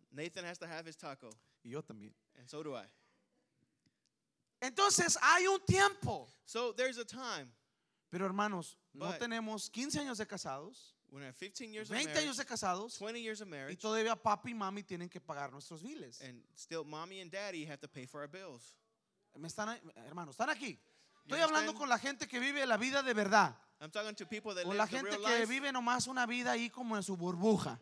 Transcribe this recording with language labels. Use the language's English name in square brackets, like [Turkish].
[English] Nathan has to have his taco. [Spanish] Y yo también. [English] And so do I. [Spanish] Entonces hay un tiempo. [English] So there's a time. [Spanish] Pero hermanos, no tenemos 15 años de casados. [English] When I'm 15 years 20 of marriage, [Spanish] años de casados. [English] 20 years of marriage. [Spanish] Y todavía papi y mami tienen que pagar nuestros biles. [English] And still mommy and daddy have to pay for our bills. [Spanish] Me están, hermanos, están aquí. Estoy hablando con la gente que vive la vida de verdad. [English] I'm talking to people that [Spanish] o la gente [English] live the real [Spanish] que vive nomás una vida ahí como en su burbuja.